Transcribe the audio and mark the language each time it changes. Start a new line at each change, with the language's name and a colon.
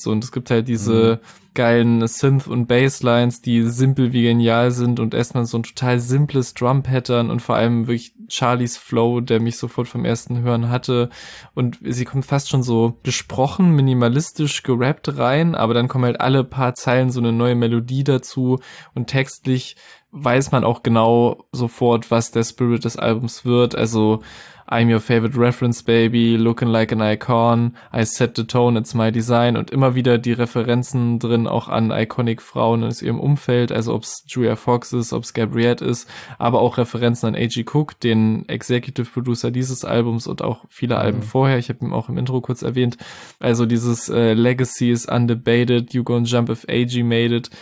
German: So, und es gibt halt diese geilen Synth- und Basslines, die simpel wie genial sind und erstmal so ein total simples Drum-Pattern und vor allem wirklich Charlies Flow, der mich sofort vom ersten Hören hatte. Und sie kommt fast schon so gesprochen, minimalistisch gerappt rein, aber dann kommen halt alle paar Zeilen so eine neue Melodie dazu und textlich weiß man auch genau sofort, was der Spirit des Albums wird.
English: Also I'm your favorite reference, baby, looking like an icon, I set the tone, it's my design.
German: Und immer wieder die Referenzen drin, auch an iconic Frauen aus ihrem Umfeld, also ob es Julia Fox ist, ob es Gabrielle ist, aber auch Referenzen an A.G. Cook, den Executive Producer dieses Albums und auch viele Alben vorher. Ich habe ihn auch im Intro kurz erwähnt. Also dieses
English: Legacy is undebated, you gon' jump if A.G. made it.